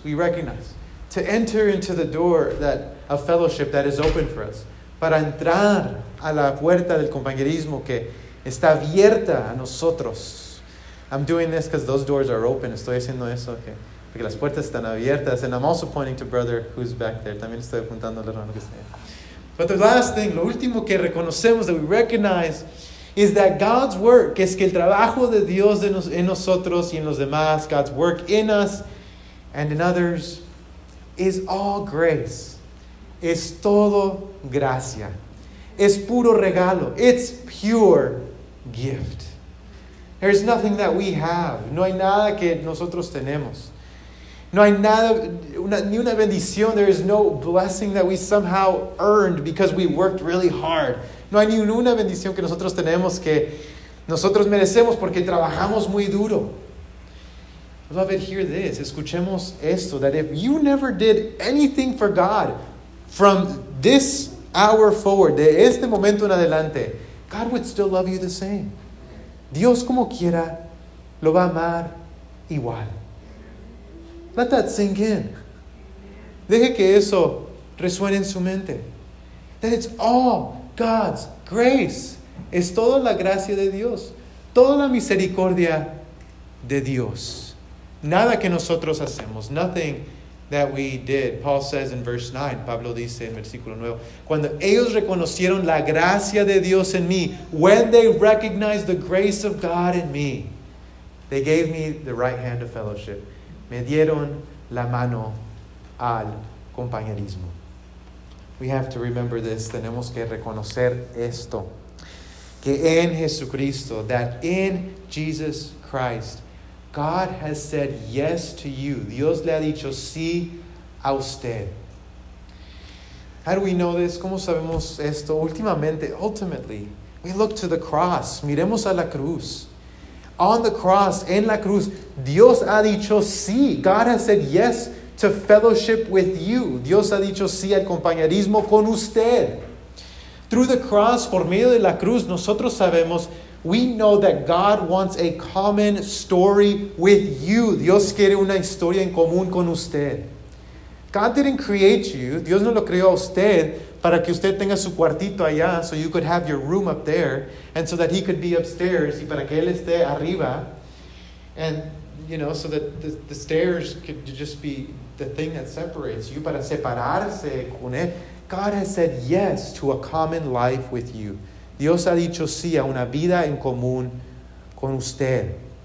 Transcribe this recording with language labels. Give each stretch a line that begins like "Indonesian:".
English: we recognize, to enter into the door that of fellowship that is open for us.
Spanish: Para entrar a la puerta del compañerismo que está abierta a nosotros.
English: I'm doing this because those doors are open.
Spanish: Estoy haciendo eso que, porque las puertas están abiertas.
English: And I'm also pointing to brother who's back there.
Spanish: También estoy apuntando al hermano que está ahí.
English: But the last thing,
Spanish: lo último que reconocemos,
English: that we recognize, is that God's work,
Spanish: que es que el trabajo de Dios en nosotros y en los demás,
English: God's work in us and in others, is all grace.
Spanish: Es todo gracia. Es puro regalo.
English: It's pure gift. There's nothing that we have.
Spanish: No hay nada que nosotros tenemos. No hay nada, ni una bendición.
English: There is no blessing that we somehow earned because we worked really hard.
Spanish: No hay ni una bendición que nosotros tenemos que nosotros merecemos porque trabajamos muy duro.
English: Beloved, hear this.
Spanish: Escuchemos esto.
English: That if you never did anything for God from this hour forward,
Spanish: de este momento en adelante,
English: God would still love you the same.
Spanish: Dios como quiera lo va a amar igual.
English: Let that sink in.
Spanish: Deje que eso resuene en su mente.
English: That it's all God's grace.
Spanish: Es toda la gracia de Dios. Toda la misericordia de Dios. Nada que nosotros hacemos.
English: Nothing that we did. Paul says in verse 9.
Spanish: Pablo dice en versículo 9. Cuando ellos reconocieron la gracia de Dios en mí.
English: When they recognized the grace of God in me. They gave me the right hand of fellowship.
Spanish: Me dieron la mano al compañerismo.
English: We have to remember this.
Spanish: Tenemos que reconocer esto. Que en Jesucristo.
English: That in Jesus Christ. God has said yes to you.
Spanish: Dios le ha dicho sí a usted.
English: How do we know this?
Spanish: ¿Cómo sabemos esto? Últimamente,
English: ultimately, we look to the cross.
Spanish: Miremos a la cruz.
English: On the cross,
Spanish: en la cruz, Dios ha dicho sí.
English: God has said yes to fellowship with you.
Spanish: Dios ha dicho sí al compañerismo con usted.
English: Through the cross,
Spanish: por medio de la cruz, nosotros sabemos.
English: We know that God wants a common story with you.
Spanish: Dios quiere una historia en común con usted.
English: God didn't create you.
Spanish: Dios no lo creó a usted para que usted tenga su cuartito allá,
English: so you could have your room up there, and so that he could be upstairs,
Spanish: y para que él esté arriba.
English: And, you know, so that the stairs could just be the thing that separates you,
Spanish: para separarse con él.
English: God has said yes to a common life with you.
Spanish: Dios ha dicho sí a una vida en común con usted.